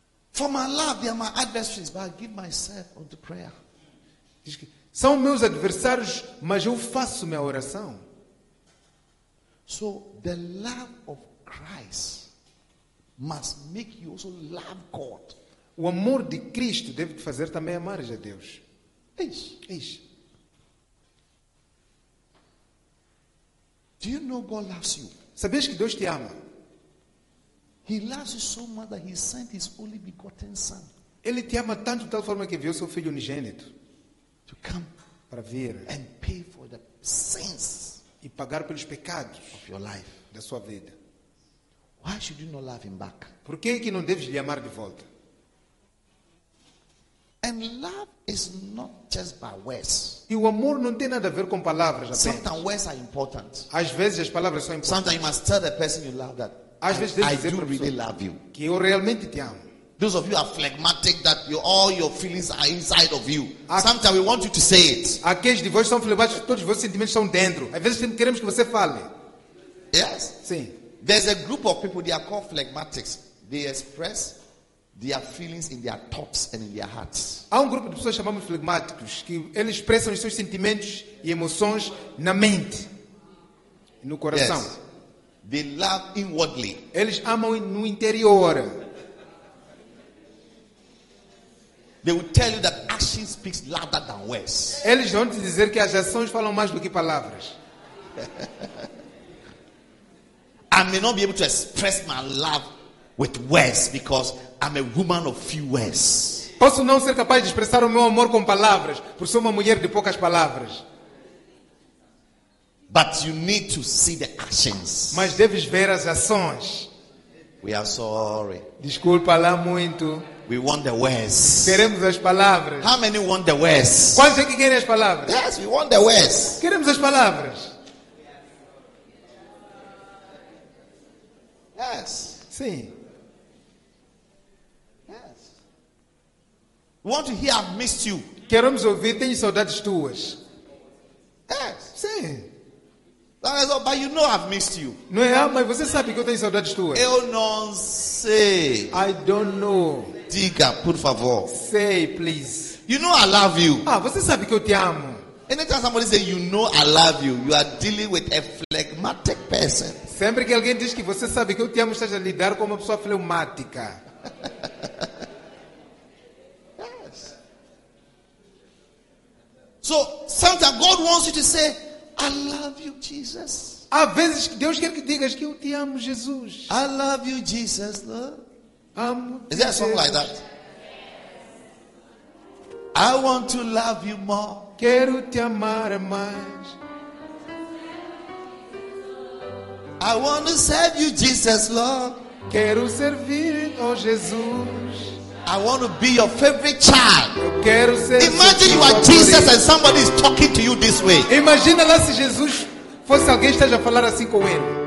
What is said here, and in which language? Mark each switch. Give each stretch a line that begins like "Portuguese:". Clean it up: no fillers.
English: For my love, they are my adversaries, but I give myself unto prayer.
Portuguese: Diz que são meus adversários, mas eu faço minha oração.
English: So the love of Christ must make you also love God.
Portuguese: O amor de Cristo deve te fazer também amar a Deus. É isso. É isso.
English: Do you know God loves you?
Portuguese: Sabes que Deus te ama?
English: He loves you so much that he sent his only begotten son.
Portuguese: Ele te ama tanto de tal forma que enviou seu filho unigênito
English: to come
Portuguese: para vir
English: and pay for the sins
Portuguese: e pagar pelos pecados
English: of your life.
Portuguese: Da sua vida.
English: Why should you not love him back?
Portuguese: Por que é que não deves lhe amar de volta?
English: And love is not just by words.
Portuguese: E o amor não tem nada a ver com palavras. Apenas.
English: Sometimes words are important.
Portuguese: Às vezes as palavras são importantes.
English: Sometimes you must tell the person you love that.
Portuguese: Às vezes deves dizer
English: I do really love you.
Portuguese: Que eu realmente te amo.
English: Those of you are phlegmatic that you, all your feelings are inside of you. Sometimes we want you to say it.
Portuguese: Aqueles de vós são phlegmáticos, todos os vossos sentimentos são dentro. Às vezes queremos que você fale.
English: Yes.
Portuguese: Sim.
English: There's a group of people they are called phlegmatics. They express their feelings in their thoughts and in their hearts.
Portuguese: Há grupo de pessoas chamamos phlegmáticos que eles expressam os seus sentimentos e emoções na mente, no coração.
English: Yes. They love inwardly.
Portuguese: Eles amam no interior.
English: They will tell you that action speaks louder than words.
Portuguese: Eles vão te dizer que as ações falam mais do que palavras.
English: I may not be able to express my love with words because I'm a woman of few words.
Portuguese: Posso não ser capaz de expressar o meu amor com palavras, porque sou uma mulher de poucas palavras.
English: But you need to see the actions.
Portuguese: Mas deves ver as ações.
English: We are sorry.
Portuguese: Desculpa lá muito.
English: We want the words.
Portuguese: Queremos as palavras.
English: How many want the words?
Portuguese: Quantos é que querem as palavras?
English: Yes, we want the words.
Portuguese: Queremos as palavras.
English: Yes.
Portuguese: Sim.
English: Yes. We want to hear I've missed you.
Portuguese: Queremos ouvir tenho saudades tuas.
English: Yes.
Portuguese: Sim.
English: But you know I've missed you.
Portuguese: Não é, mas você sabe que eu tenho saudades tuas. Eu não sei.
English: I don't know.
Portuguese: Diga, por favor.
English: Say, please. You know I love you.
Portuguese: Ah, você sabe que eu te amo.
English: Anytime somebody says you know I love you, you are dealing with a phlegmatic person.
Portuguese: Sempre que alguém diz que você sabe que eu te amo, estás a lidar com uma pessoa fleumática.
English: Yes. So sometimes God wants you to say, I love you, Jesus.
Portuguese: Há vezes que Deus quer que digas que eu te amo, Jesus.
English: I love you, Jesus, Lord.
Portuguese: Amo.
English: Is there something like that? Yes. I want to love you more.
Portuguese: Quero te amar mais.
English: I want to serve you, Jesus, Lord.
Portuguese: Quero servir, oh Jesus.
English: I want to be your favorite child.
Portuguese: Eu quero ser.
English: Imagine you are Jesus and somebody is talking to you this way.
Portuguese: Imagina lá se Jesus fosse alguém esteja a falar assim com ele.